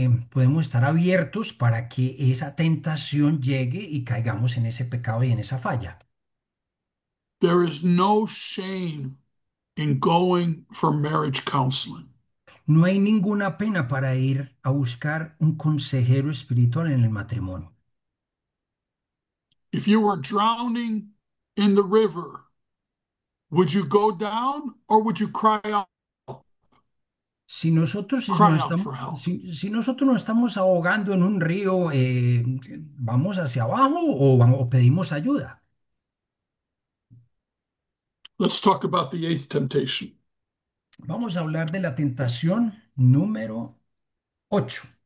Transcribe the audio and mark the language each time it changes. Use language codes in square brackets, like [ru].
[es] podemos estar abiertos para que esa tentación llegue y caigamos en ese pecado y en esa falla. [en] There is no shame in going for marriage counseling. [es] No hay ninguna pena para ir a buscar un consejero espiritual en el matrimonio. [en] If you were drowning in the river, would you go down or would you cry out? [es] Si nosotros [en] Cry out for help. [es] nos estamos ahogando en un río, ¿vamos hacia abajo o pedimos ayuda? [en] Let's talk about the eighth temptation. [es] Vamos a hablar de la tentación número 8.